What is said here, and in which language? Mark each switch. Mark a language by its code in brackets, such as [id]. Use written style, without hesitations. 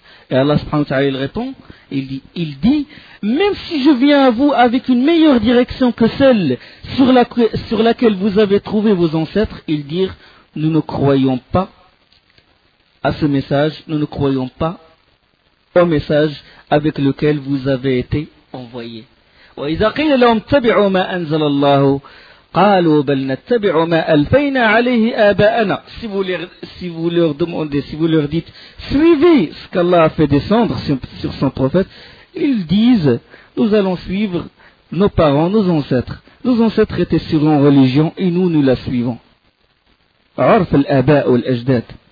[fr] Et Allah subhanahu wa ta'ala, il répond, il dit, même si je viens à vous avec une meilleure direction que celle sur laquelle vous avez trouvé vos ancêtres, ils dirent, nous ne croyons pas à ce message, nous ne croyons pas au message avec lequel vous avez été envoyé. [ar] وإذا قيل لهم اتبعوا ما أنزل الله قالوا بل نتبع ما ألفينا عليه آباءنا. [fr] Si vous leur dites suivez ce qu'Allah a fait descendre sur son prophète, ils disent nous allons suivre nos parents, nos ancêtres étaient sur une religion et nous la suivons. [ar] عرف الآباء والأجداد.